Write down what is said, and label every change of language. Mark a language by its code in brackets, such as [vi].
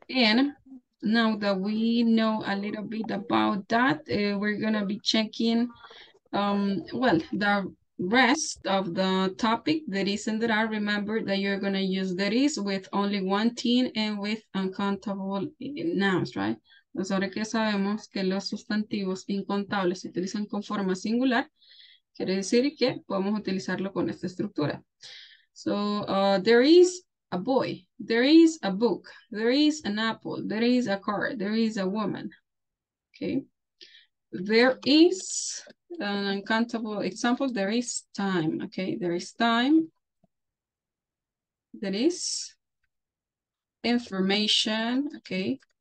[en] And now that we know a little bit about that, we're gonna be checking, well, the rest of the topic, that is and that are. Remember that you're gonna use that is with only one T and with uncountable nouns, right? [es] Entonces, ahora que sabemos que los sustantivos incontables se utilizan con forma singular, quiere decir que podemos utilizarlo con esta estructura. [en] So, there is a boy, there is a book, there is an apple, there is a car, there is a woman. Okay. There is an uncountable example, there is time. Okay, there is time. There is information. Okay.